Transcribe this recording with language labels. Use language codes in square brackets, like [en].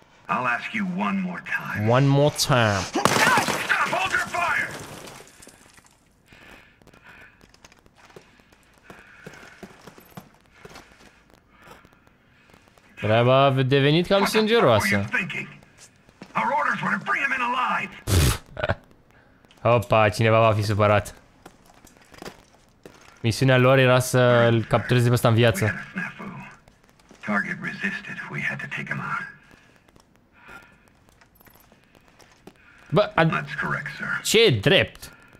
[en] I'll ask you one more time. One more time. Stop, hold your fire! [ro] Treaba a devenit cam sângeroasă. [en] Our orders were to bring him in alive. [ro] Opa, cineva va fi supărat. Misiunea lor era să îl captureze pe ăsta în viață. [en] Target resisted. We had to take him out. [ro] Bă, [en] that's correct, sir. [ro] Ce drept?